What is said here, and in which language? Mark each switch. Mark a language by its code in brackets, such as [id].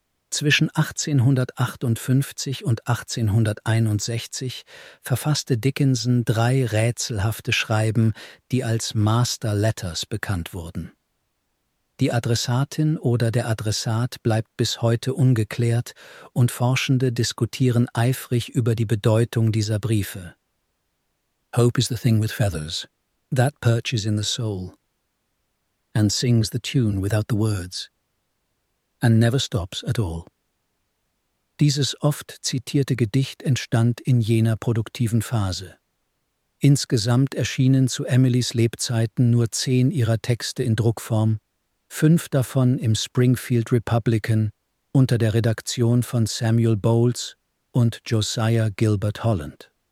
[de] Zwischen 1858 und 1861 verfasste Dickinson 3 rätselhafte Schreiben, die als Master Letters bekannt wurden. Die Adressatin oder der Adressat bleibt bis heute ungeklärt und Forschende diskutieren eifrig über die Bedeutung dieser Briefe. [en] Hope is the thing with feathers that perches in the soul and sings the tune without the words and never stops at all. [de] Dieses oft zitierte Gedicht entstand in jener produktiven Phase. Insgesamt erschienen zu Emilys Lebzeiten nur 10 ihrer Texte in Druckform, 5 davon im Springfield Republican unter der Redaktion von Samuel Bowles und Josiah Gilbert Holland.